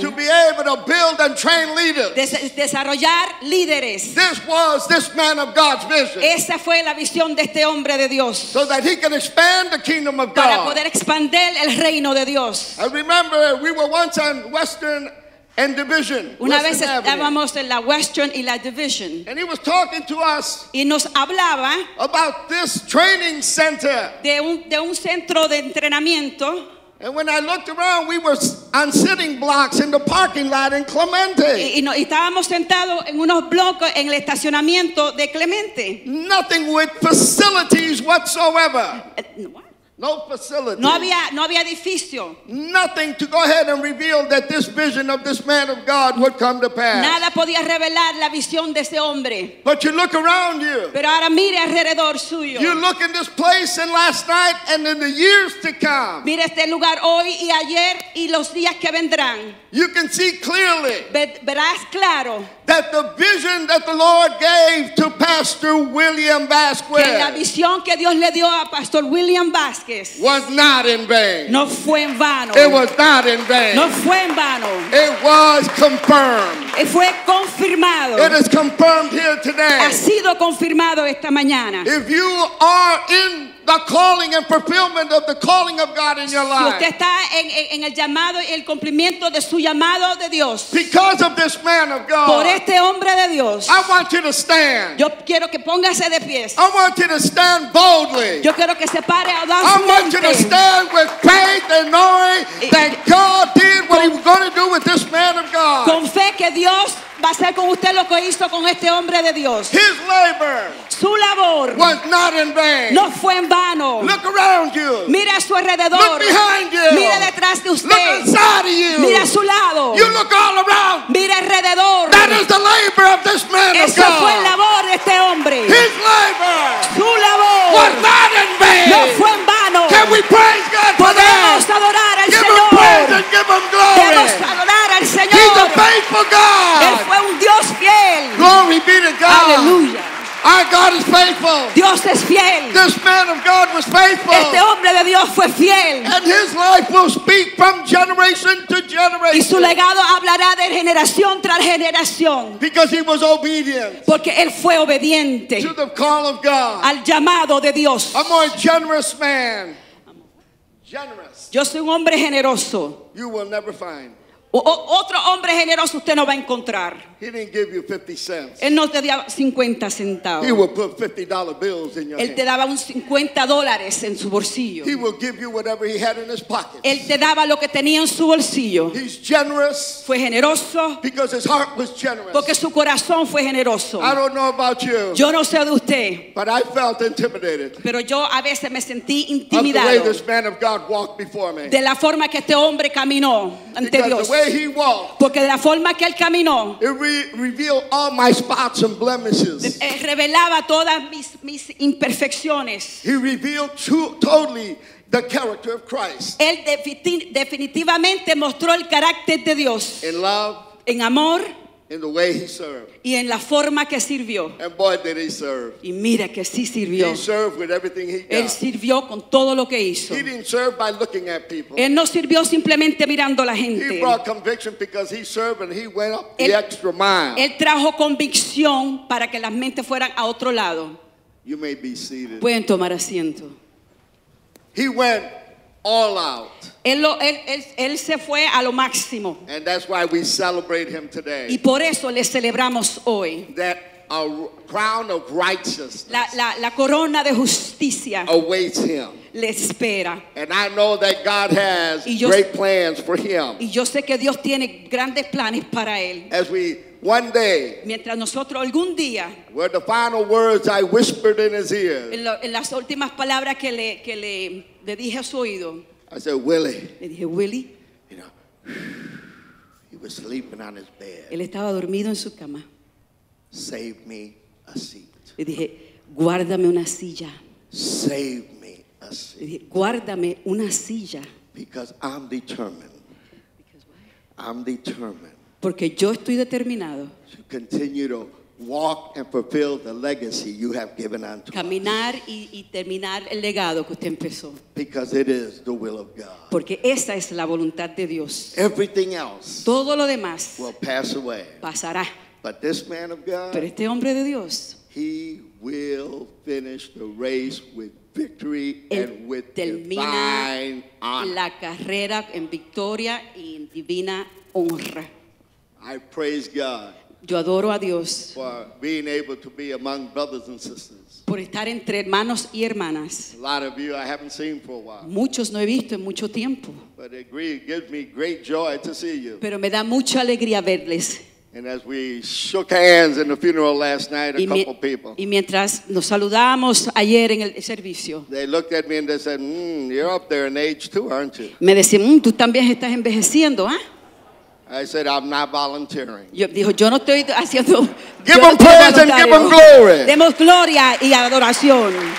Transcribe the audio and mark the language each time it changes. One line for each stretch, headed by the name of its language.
English: To be able to build and train leaders.
Spanish: Desarrollar líderes.
English: This was this man of God's vision.
Spanish: Esa fue la visión de este hombre de Dios.
English: So that he can expand the kingdom of God.
Spanish: Para poder expandir el reino de Dios.
English: I remember we were once on Western and Division.
Spanish: Una vez estábamos en la Western y la Division.
English: And he was talking to us.
Spanish: Y nos hablaba
English: about this training center.
Spanish: De un centro de entrenamiento.
English: And when I looked around, we were on sitting blocks in the parking lot in Clemente.
Spanish: Y estábamos sentados en unos bloques en el estacionamiento de Clemente.
English: Nothing with facilities whatsoever. No facility.
Spanish: No había edificio.
English: Nothing to go ahead and reveal that this vision of this man of God would come to pass.
Spanish: Nada podía revelar la visión de ese hombre.
English: But you look around you.
Spanish: Pero ahora mire alrededor suyo.
English: You look in this place and last night and in the years to come.
Spanish: Mire este lugar hoy y ayer y los días que vendrán.
English: You can see clearly.
Spanish: Verás claro.
English: That the vision that the Lord gave to Pastor William Vasquez.
Spanish: Que la visión que Dios le dio a Pastor William Vasquez.
English: Was not in vain.
Spanish: No fue en vano.
English: It was not in vain.
Spanish: No fue en vano.
English: It was confirmed.
Spanish: Y fue confirmado.
English: It is confirmed here today.
Spanish: Ha sido confirmado esta mañana.
English: If you are in the calling and fulfillment of the calling of God in your life.
Spanish: Si usted está en el llamado y el cumplimiento de su llamado de Dios.
English: Because of this man of God.
Spanish: Por este hombre de Dios.
English: I want you to stand.
Spanish: Yo quiero que póngase de pie.
English: I want you to stand boldly.
Spanish: Yo quiero que se pare audazmente.
English: I want you to stand with faith and knowing that God did what he was going to do with this man of God.
Spanish: Con fe que Dios va a hacer con usted lo que hizo con este hombre de Dios.
English: His labor.
Spanish: Su labor.
English: Was not in vain.
Spanish: No fue en vano.
English: Look around you.
Spanish: Mira a su alrededor.
English: Look behind you.
Spanish: Mira detrás de usted.
English: Look inside of you.
Spanish: Mira a su lado.
English: You look all around.
Spanish: Mira alrededor.
English: That is the labor of this man of God.
Spanish: Eso fue el labor de este hombre.
English: His labor.
Spanish: Su labor.
English: Was not in vain.
Spanish: No fue en vano.
English: Can we praise God for that?
Spanish: Podemos adorar al Señor.
English: Give him praise and give him glory.
Spanish: Podemos adorar al Señor.
English: He's a faithful God.
Spanish: Él fue un Dios fiel.
English: Glory be to God.
Spanish: Aleluya.
English: Our God is faithful.
Spanish: Dios es fiel.
English: This man of God was faithful.
Spanish: Este hombre de Dios fue fiel.
English: And his life will speak from generation to generation.
Spanish: Y su legado hablará de generación tras generación.
English: Because he was obedient.
Spanish: Porque él fue obediente.
English: To the call of God.
Spanish: Al llamado de Dios.
English: A more generous man. Generous.
Spanish: Yo soy un hombre generoso.
English: You will never find.
Spanish: Otro hombre generoso usted no va a encontrar.
English: He didn't give you 50 cents.
Spanish: Él no te dio 50 centavos.
English: He will put $50 bills in your
Spanish: Él
English: hand.
Spanish: Te daba un $50 en su bolsillo.
English: He will give you whatever he had in his pockets.
Spanish: Él te daba lo que tenía en su bolsillo.
English: He's generous.
Spanish: Fue generoso.
English: Because his heart was generous.
Spanish: Porque su corazón fue generoso.
English: I don't know about you.
Spanish: Yo no sé de usted.
English: But I felt intimidated.
Spanish: Pero yo a veces me sentí intimidado.
English: Of the way this man of God walked before me.
Spanish: De la forma que este hombre caminó ante
English: because
Spanish: Dios.
English: The way he walked,
Spanish: porque de la forma que él caminó,
English: it revealed all my spots and blemishes.
Spanish: Revelaba todas mis imperfecciones.
English: He revealed totally the character of Christ.
Spanish: Él definitivamente mostró el carácter de Dios.
English: In love,
Spanish: en amor,
English: in the way he served,
Spanish: y en la forma que sirvió.
English: And boy, did he serve!
Spanish: Y mira que sí sirvió.
English: He served with everything he got.
Spanish: Él sirvió con todo lo que hizo.
English: He didn't serve by looking at people.
Spanish: Él no sirvió simplemente mirando a la gente.
English: He brought conviction because he served and he went up the extra mile.
Spanish: Él trajo convicción para que las mentes fueran a otro lado.
English: You may be seated.
Spanish: Pueden tomar asiento.
English: He went all out.
Spanish: Él se fue a lo máximo.
English: And that's why we celebrate him today.
Spanish: Y por eso le celebramos hoy.
English: That a crown of righteousness.
Spanish: La corona de justicia.
English: Awaits him.
Spanish: Le espera.
English: And I know that God has great plans for him.
Spanish: Y yo sé que Dios tiene grandes planes para él.
English: As we one day.
Spanish: Mientras nosotros algún día.
English: Were the final words I whispered in his ear.
Spanish: En las últimas palabras que le dije a su oído.
English: I said, Willie.
Spanish: Le dije, Willie.
English: You know, he was sleeping on his bed.
Spanish: Él estaba dormido en su cama.
English: Save me a seat.
Spanish: Y dije, guárdame una silla.
English: Save me a seat.
Spanish: Y dije, guárdame una silla.
English: Because I'm determined. I'm determined.
Spanish: Porque yo estoy determinado.
English: To continue to walk and fulfill the legacy you have given unto us.
Spanish: Caminar y terminar el legado que usted empezó.
English: Because it is the will of God.
Spanish: Porque esa es la voluntad de Dios.
English: Everything else.
Spanish: Todo lo demás.
English: Will pass away.
Spanish: Pasará.
English: But this man of God.
Spanish: Pero este hombre de Dios.
English: He will finish the race with victory and with divine honor.
Spanish: La carrera en victoria y en divina honra.
English: I praise God.
Spanish: Yo adoro a Dios.
English: For being able to be among brothers and sisters.
Spanish: Por estar entre hermanos y hermanas.
English: A lot of you I haven't seen for a while.
Spanish: Muchos no he visto en mucho tiempo.
English: But it gives me great joy to see you.
Spanish: Pero me da mucha alegría verles.
English: And as we shook hands in the funeral last night, a couple people.
Spanish: Y mientras nos saludamos ayer en el servicio.
English: They looked at me and they said, you're up there in age too, aren't you?
Spanish: Me decían, tú también estás envejeciendo, ¿ah?
English: I said, I'm not volunteering.
Spanish: Yo dijo, yo no estoy haciendo.
English: Give them praise and give them glory.
Spanish: Demos gloria y adoración.